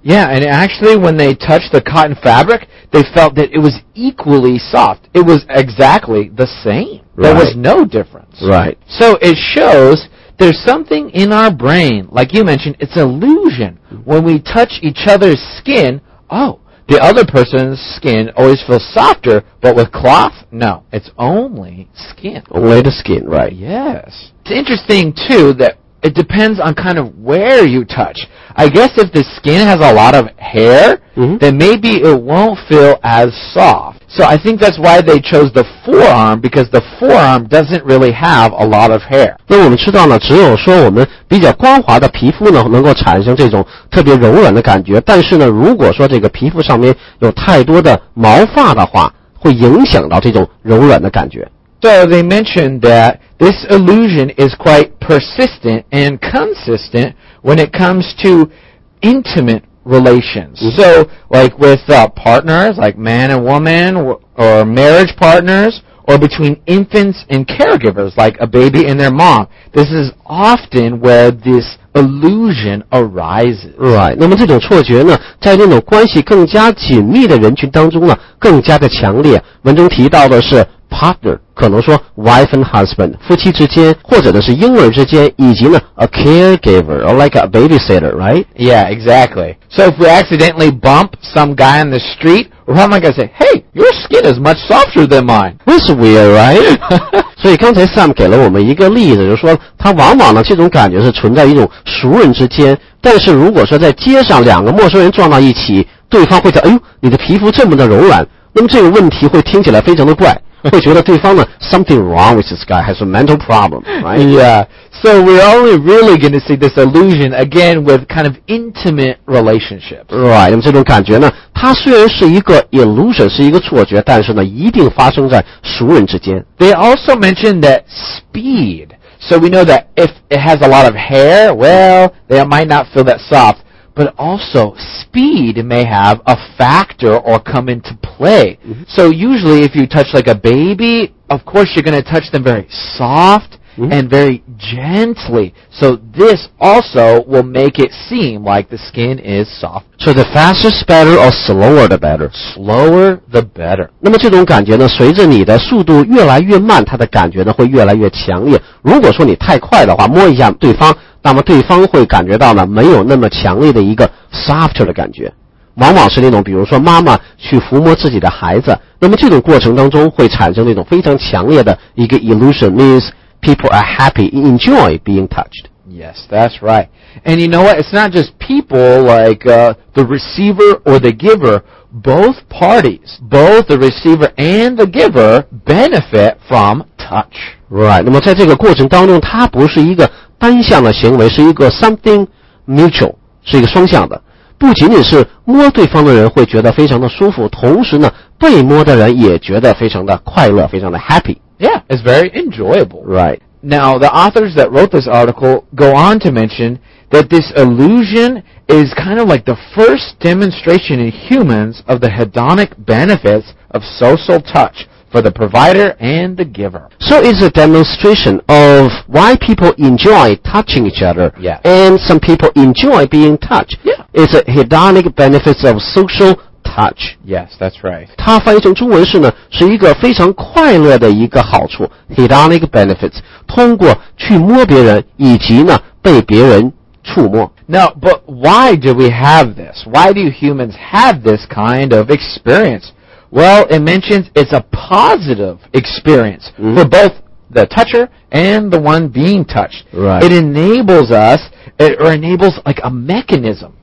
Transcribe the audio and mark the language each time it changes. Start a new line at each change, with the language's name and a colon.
English: Yeah, and actually when they touched the cotton fabric, they felt that it was equally soft. It was exactly the same. There was no difference. Right. So it shows there's something in our brain, like you mentioned, it's an illusion. When we touch each other's skin, oh, the other person's skin always feels softer, but with cloth, no, it's only skin. Only the skin, right. Yes. It's interesting, too, that it depends on kind of where you touch. I guess if the skin has a lot of hair, mm-hmm. then maybe it won't feel as soft. So I think that's why they chose the forearm, because the forearm doesn't really have a lot of hair.
Chinese: 那我们知道呢，只有说我们比较光滑的皮肤呢，能够产生这种特别柔软的感觉。但是呢，如果说这个皮肤上面有太多的毛发的话，会影响到这种柔软的感觉。
English: So they mentioned that this illusion is quite persistent and consistent when it comes to intimate relations. Mm-hmm. So like with partners, like man and woman, or marriage partners, or between infants and caregivers, like a baby and their mom. This is often where this illusion arises. Right.
Chinese: 那么这种错觉呢，在那种关系更加紧密的人群当中呢，更加的强烈。文中提到的是partner, 可能说
English: wife and husband,
Chinese: 夫妻之间或者是婴儿之间以及呢
English: a caregiver, or like a babysitter, right? Yeah, exactly. So if we accidentally bump some guy on the street, we're probably going to say, hey, your skin is much softer than mine. That's weird, right?
Chinese: 所以刚才 Sam 给了我们一个例子，就是说他往往呢这种感觉是存在一种熟人之间，但是如果说在街上两个陌生人撞到一起，对方会说，哎呦，你的皮肤这么的柔软，那么这个问题会听起来非常的怪。会觉得对方呢
English: something wrong with this guy, has a mental problem, right? Yeah, so we're only really going to see this illusion again with kind of intimate relationships.
Chinese: Right, 那么这种感觉呢，它虽然是一个 illusion, 是一个错觉，但是呢，一定发生在熟人之间。
English: They also mentioned that speed, so we know that if it has a lot of hair, well, they might not feel that soft. But also, speed may have a factor or come into play. Mm-hmm. So usually if you touch like a baby, of course you're going to touch them very soft mm-hmm. and very gently. So this also will make it seem like the skin is soft. So the faster is better or slower the better? Slower the better.
Chinese: 那么这种感觉呢，随着你的速度越来越慢，它的感觉呢会越来越强烈。如果说你太快的话，摸一下对方，那么对方会感觉到呢没有那么强烈的一个 softer 的感觉，往往是那种比如说妈妈去抚摸自己的孩子，那么这种过程当中会产生那种非常强烈的一个
English: illusion means people are happy, enjoy being touched. Yes, that's right. And you know what? It's not just people like the receiver or the giver. Both parties, both the receiver and the giver, benefit from touch.
Chinese: Right. 那么在这个过程当中，它不是一个单向的行为，是一个
English: something mutual，
Chinese: 是一个双向的。不仅仅是摸对方的人会觉得非常的舒服，同时呢，被摸的人也觉得非常的快乐，非常的 happy.
English: Yeah, it's very enjoyable. Right. Now, the authors that wrote this article go on to mention that this illusion is kind of like the first demonstration in humans of the hedonic benefits of social touch for the provider and the giver. So it's a demonstration of why people enjoy touching each other. Yeah. And some people enjoy being touched. Yeah. It's a hedonic benefits of social touch. Yes, that's right.
Chinese: 它翻译成中文是呢，是一个非常快乐的一个好处
English: hedonic benefits,
Chinese: 通过去摸别人以及呢被别人触摸。
English: Now, but why do we have this? Why do humans have this kind of experience? Well, it mentions it's a positive experience、mm-hmm. for both the toucher and the one being touched. Right. It enables us, it, or enables like a mechanism.、